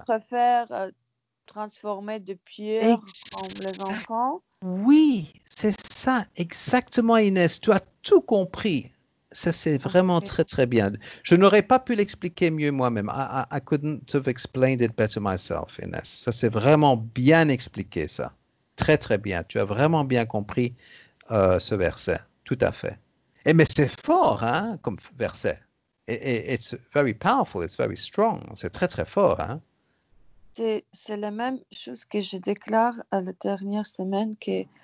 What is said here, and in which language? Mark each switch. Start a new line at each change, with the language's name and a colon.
French: Il préfère transformer de pierre en les enfants. Oui, c'est ça, exactement, Inès. Tu as tout compris. Ça, c'est vraiment très, très bien. Je n'aurais pas pu l'expliquer mieux moi-même.
English: I couldn't have explained it better myself, Inès.
French: Ça, c'est vraiment bien expliqué, ça. Très, très bien. Tu as vraiment bien compris ce verset. Tout à fait. Et, mais c'est fort, hein, comme verset.
English: It's very powerful. It's very strong.
French: C'est très, très fort, hein. C'est la même chose que je déclare à la dernière semaine que,